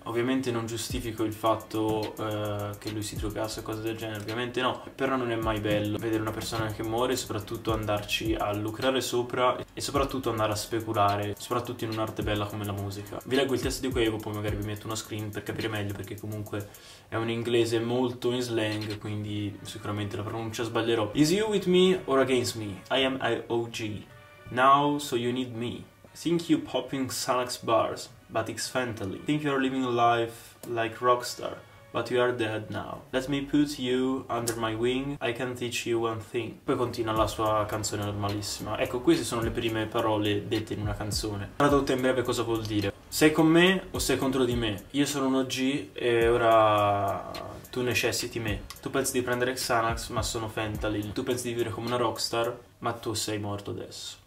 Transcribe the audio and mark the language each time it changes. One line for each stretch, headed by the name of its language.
Italian: Ovviamente non giustifico il fatto che lui si drogasse o cose del genere, ovviamente no, però non è mai bello vedere una persona che muore, soprattutto andarci a lucrare sopra e soprattutto andare a speculare, soprattutto in un'arte bella come la musica. Vi leggo il testo di Quavo, poi magari vi metto uno screen per capire meglio, perché comunque è un inglese molto in slang, quindi sicuramente la pronuncia sbaglierò.
English: Is you with me or against me? I am IOG. Now, so you need me. Think you popping Xanax bars, but it's fentanyl. Think you're living life like rockstar, but you are dead now. Let me put you under my wing, I can teach you one thing.
Italian: Poi continua la sua canzone normalissima. Ecco, queste sono le prime parole dette in una canzone. Tradotte in breve cosa vuol dire? Sei con me o sei contro di me? Io sono un OG e ora tu necessiti me. Tu pensi di prendere Xanax, ma sono fentanyl. Tu pensi di vivere come una rockstar, ma tu sei morto adesso.